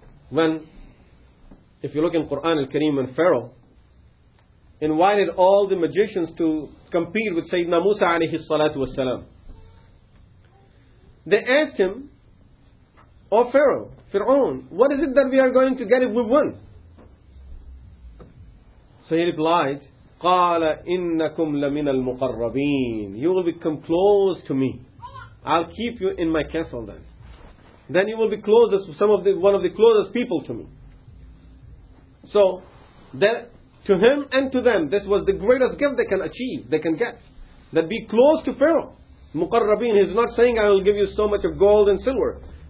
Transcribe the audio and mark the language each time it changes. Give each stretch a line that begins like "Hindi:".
English: When, if you look in Quran al-Kareem, when Pharaoh invited all the magicians to compete with Sayyidina Musa alayhi salatu wasalam, they asked him, oh Pharaoh, Fir'aun, what is it that we are going to get if we win? So he replied,
Arabic: قَالَ إِنَّكُمْ لَمِنَ الْمُقَرَّبِينَ.
English: You will become close to me. I'll keep you in my castle then. Then you will be closest, one of the closest people to me. So, that to him and to them, this was the greatest gift they can achieve, they can get. That be close to Pharaoh. Muqarrabin, he's not saying I will give you so much of gold and silver.